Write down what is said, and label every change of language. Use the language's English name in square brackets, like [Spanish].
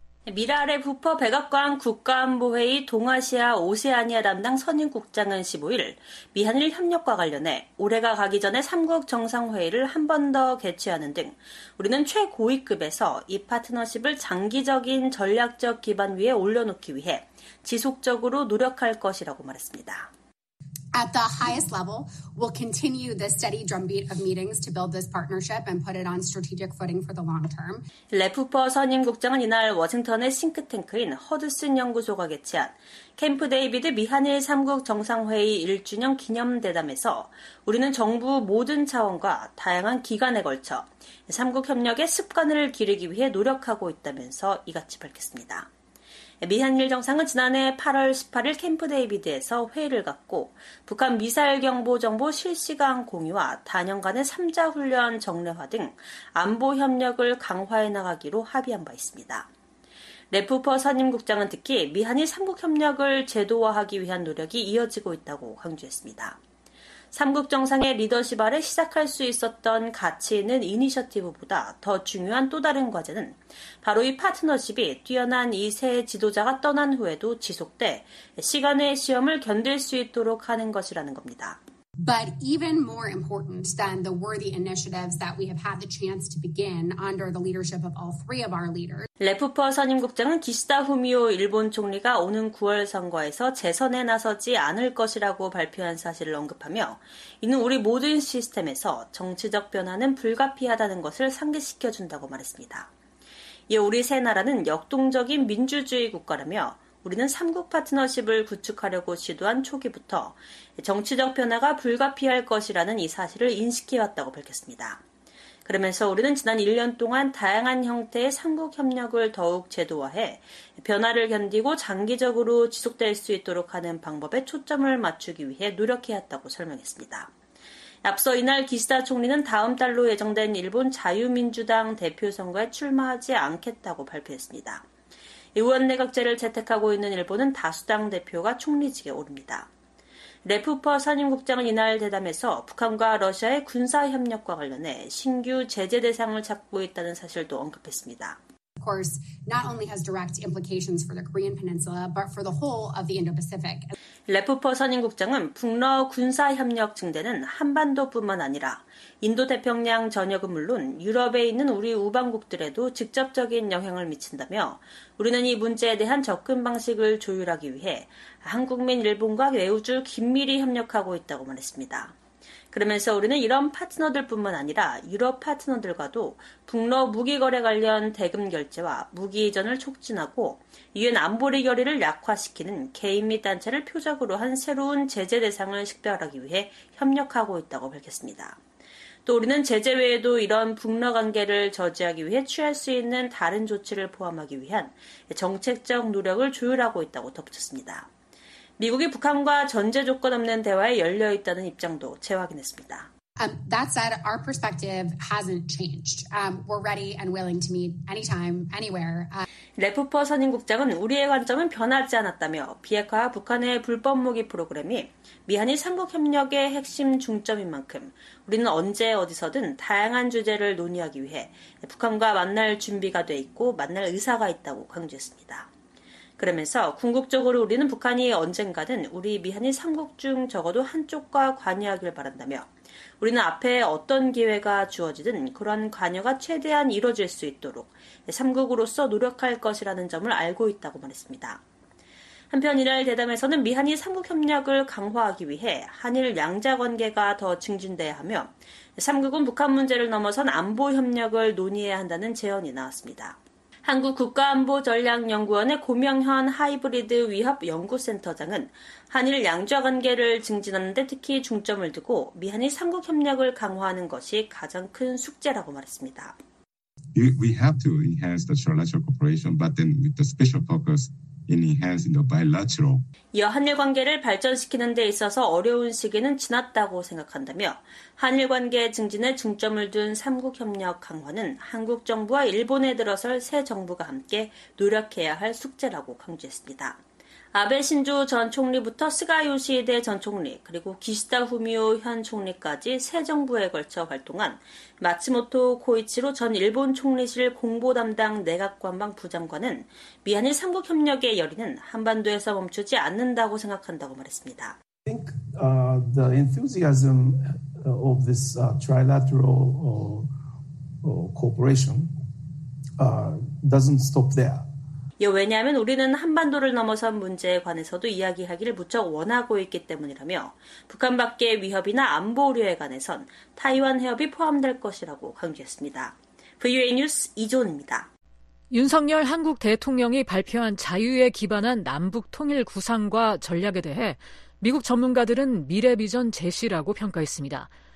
[Korean] 미랄의 부퍼 백악관 국가안보회의 동아시아 오세아니아 담당 선임국장은 15일 미한일 협력과 관련해 올해가 가기 전에 3국 정상회의를 한 번 더 개최하는 등 우리는 최고위급에서 이 파트너십을 장기적인 전략적 기반 위에 올려놓기 위해 지속적으로 노력할 것이라고 말했습니다. [English] At the highest level, we'll continue the steady drumbeat of meetings to build this partnership and put it on strategic footing for the long term. [Korean] 레프퍼 선임 국장은 이날 워싱턴의 싱크탱크인 허드슨 연구소가 개최한 캠프 데이비드 미한일 3국 정상회의 1주년 기념 대담에서 우리는 정부 모든 차원과 다양한 기관에 걸쳐 3국 협력의 습관을 기르기 위해 노력하고 있다면서 이같이 밝혔습니다. 미한일 정상은 지난해 8월 18일 캠프 데이비드에서 회의를 갖고 북한 미사일 경보 정보 실시간 공유와 단연간의 3자 훈련 정례화 등 안보 협력을 강화해 나가기로 합의한 바 있습니다. 레프퍼 선임 국장은 특히 미한일 3국 협력을 제도화하기 위한 노력이 이어지고 있다고 강조했습니다. 3국 정상의 리더십 아래 시작할 수 있었던 가치 있는 이니셔티브보다 더 중요한 또 다른 과제는 바로 이 파트너십이 뛰어난 이 세 지도자가 떠난 후에도 지속돼 시간의 시험을 견딜 수 있도록 하는 것이라는 겁니다. [English] But even more important than the worthy initiatives that we have had the chance to begin under the leadership of all three of our leaders. [Korean] 레프퍼 선임 국장은 기시다 후미오 일본 총리가 오는 9월 선거에서 재선에 나서지 않을 것이라고 발표한 사실을 언급하며 이는 우리 모든 시스템에서 정치적 변화는 불가피하다는 것을 상기시켜준다고 말했습니다. 이에 우리 세 나라는 역동적인 민주주의 국가라며 우리는 3국 파트너십을 구축하려고 시도한 초기부터 정치적 변화가 불가피할 것이라는 이 사실을 인식해왔다고 밝혔습니다. 그러면서 우리는 지난 1년 동안 다양한 형태의 3국 협력을 더욱 제도화해 변화를 견디고 장기적으로 지속될 수 있도록 하는 방법에 초점을 맞추기 위해 노력해왔다고 설명했습니다. 앞서 이날 기시다 총리는 다음 달로 예정된 일본 자유민주당 대표선거에 출마하지 않겠다고 발표했습니다. 의원내각제를 채택하고 있는 일본은 다수당 대표가 총리직에 오릅니다. 레프퍼 선임국장은 이날 대담에서 북한과 러시아의 군사협력과 관련해 신규 제재 대상을 찾고 있다는 사실도 언급했습니다. [English] Of course, not only has direct implications for the Korean Peninsula, but for the whole of the Indo-Pacific. [Korean] 레프퍼 선임국장은 북러 군사협력 증대는 한반도뿐만 아니라 인도태평양 전역은 물론 유럽에 있는 우리 우방국들에도 직접적인 영향을 미친다며 우리는 이 문제에 대한 접근 방식을 조율하기 위해 한국민 일본과 외우주 긴밀히 협력하고 있다고 말했습니다. 그러면서 우리는 이런 파트너들뿐만 아니라 유럽 파트너들과도 북러 무기 거래 관련 대금 결제와 무기 이전을 촉진하고 유엔 안보리 결의를 약화시키는 개인 및 단체를 표적으로 한 새로운 제재 대상을 식별하기 위해 협력하고 있다고 밝혔습니다. 또 우리는 제재 외에도 이런 북러 관계를 저지하기 위해 취할 수 있는 다른 조치를 포함하기 위한 정책적 노력을 조율하고 있다고 덧붙였습니다. 미국이 북한과 전제 조건 없는 대화에 열려 있다는 입장도 재확인했습니다. [English] That said, our perspective hasn't changed. We're ready and willing to meet anytime, anywhere. [Korean] 레프퍼 선임 국장은 우리의 관점은 변하지 않았다며 비핵화와 북한의 불법 무기 프로그램이 미한일 3국 협력의 핵심 중점인 만큼 우리는 언제 어디서든 다양한 주제를 논의하기 위해 북한과 만날 준비가 돼 있고 만날 의사가 있다고 강조했습니다. 그러면서 궁극적으로 우리는 북한이 언젠가는 우리 미한일 3국 중 적어도 한쪽과 관여하길 바란다며 우리는 앞에 어떤 기회가 주어지든 그런 관여가 최대한 이뤄질 수 있도록 3국으로서 노력할 것이라는 점을 알고 있다고 말했습니다. 한편 이날 대담에서는 미한일 3국 협력을 강화하기 위해 한일 양자관계가 더 증진돼야 하며 3국은 북한 문제를 넘어선 안보 협력을 논의해야 한다는 제언이 나왔습니다. 한국 국가안보전략연구원의 고명현 하이브리드 위협연구센터장은 한일 양자관계를 증진하는 데 특히 중점을 두고 미한일 3국 협력을 강화하는 것이 가장 큰 숙제라고 말했습니다. [English] We have to enhance the trilateral cooperation, but then with the special focus in enhancing the bilateral. [Korean] 이어 한일 관계를 발전시키는 데 있어서 어려운 시기는 지났다고 생각한다며 한일 관계 증진에 중점을 둔 3국 협력 강화는 한국 정부와 일본에 들어설 새 정부가 함께 노력해야 할 숙제라고 강조했습니다. 아베 신조 전 총리부터 스가 요시히데 전 총리, 그리고 기시다 후미오 현 총리까지 새 정부에 걸쳐 활동한 마츠모토 코이치로 전 일본 총리실 공보 담당 내각 관방 부장관은 미한일 삼국 협력의 열의는 한반도에서 멈추지 않는다고 생각한다고 말했습니다. [English] I think the enthusiasm of this trilateral cooperation doesn't stop there. [Korean] 왜냐하면 우리는 한반도를 넘어선 문제에 관해서도 이야기하기를 무척 원하고 있기 때문이라며 북한 밖의 위협이나 안보 우려에 관해선 타이완 해협이 포함될 것이라고 강조했습니다. VOA 뉴스 이조은입니다. 윤석열 한국 대통령이 발표한 자유에 기반한 남북 통일 구상과 전략에 대해 미국 전문가들은 미래 비전 제시라고 평가했습니다.